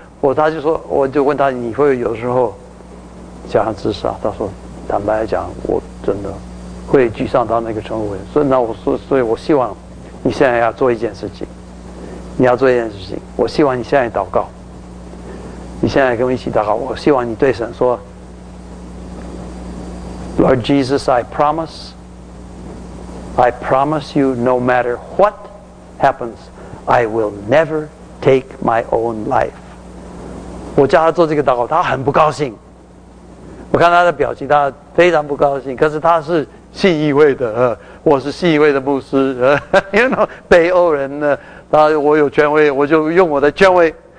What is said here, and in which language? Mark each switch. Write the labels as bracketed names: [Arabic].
[Chinese] 我就问他，你会有时候想要自杀？他说，坦白来讲，我真的会沮丧到那个程度。所以我希望你现在要做一件事情，你要做一件事情。我希望你现在祷告，你现在跟我一起祷告。我希望你对神说。 [English] Lord Jesus, I promise you, no matter what happens, I will never take my own life. [Chinese] 我叫他做这个祷告，他很不高兴。我看他的表情，他非常不高兴。可是他是信义会的，我是信义会的牧师， [English] you know, [Chinese] 北欧人呢，他我有权威，我就用我的权威。